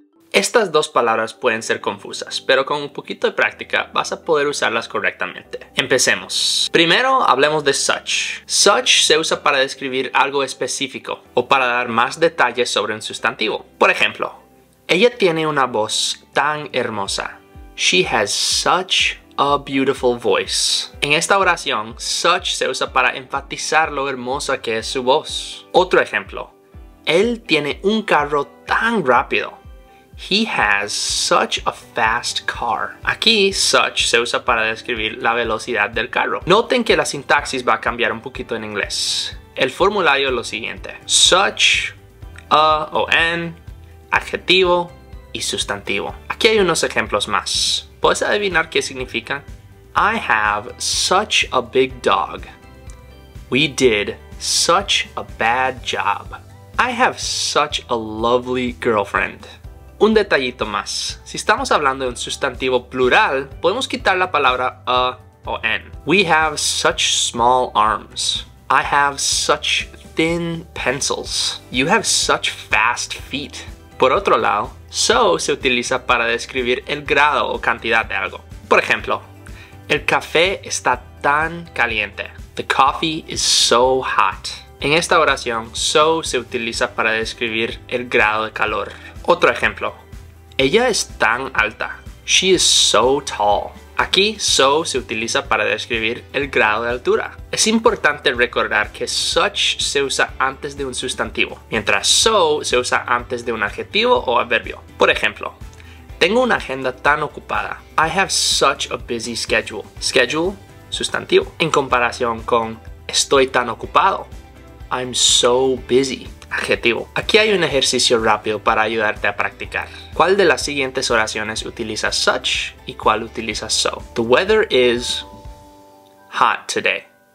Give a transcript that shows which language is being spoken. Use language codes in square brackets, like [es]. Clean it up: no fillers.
[es] Estas dos palabras pueden ser confusas, pero con un poquito de práctica vas a poder usarlas correctamente. Empecemos. Primero, hablemos de such. Such se usa para describir algo específico o para dar más detalles sobre un sustantivo. Por ejemplo, ella tiene una voz tan hermosa. [en] She has such a beautiful voice. [es] En esta oración, such se usa para enfatizar lo hermosa que es su voz. Otro ejemplo. Él tiene un carro tan rápido. [en] He has such a fast car. [es] Aquí, such se usa para describir la velocidad del carro. Noten que la sintaxis va a cambiar un poquito en inglés. El formulario es lo siguiente. Such, a o an, adjetivo y sustantivo. Aquí hay unos ejemplos más. ¿Puedes adivinar qué significan? [en] I have such a big dog. We did such a bad job. I have such a lovely girlfriend. [es] Un detallito más. Si estamos hablando de un sustantivo plural, podemos quitar la palabra a o an. [en] We have such small arms. I have such thin pencils. You have such fast feet. [es] Por otro lado, so se utiliza para describir el grado o cantidad de algo. Por ejemplo, el café está tan caliente. [en] The coffee is so hot. [es] En esta oración, so se utiliza para describir el grado de calor. Otro ejemplo. Ella es tan alta. [en] She is so tall. [es] Aquí, so se utiliza para describir el grado de altura. Es importante recordar que such se usa antes de un sustantivo, mientras so se usa antes de un adjetivo o adverbio. Por ejemplo, tengo una agenda tan ocupada. [en] I have such a busy schedule. [es] Schedule, sustantivo. En comparación con estoy tan ocupado. [en] I'm so busy. [es] Adjetivo. Aquí hay un ejercicio rápido para ayudarte a practicar. ¿Cuál de las siguientes oraciones utiliza such y cuál utiliza so? [en] The weather is hot today.